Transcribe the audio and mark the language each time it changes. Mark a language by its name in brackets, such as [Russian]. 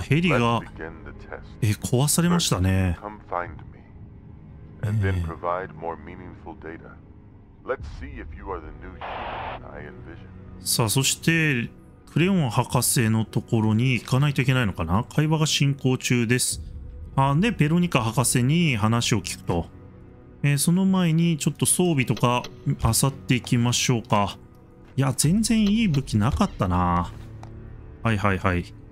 [Japanese] ヘリが壊されましたね。 [English] Come find me. And then provide more meaningful data. Let's see if you are the new human I envision. [Japanese] さあ、そしてクレヨン博士のところに行かないといけないのかな。会話が進行中です。あ、で、ベロニカ博士に話を聞くと。その前にちょっと装備とか漁っていきましょうか。いや、全然いい武器なかったな。はいはいはい。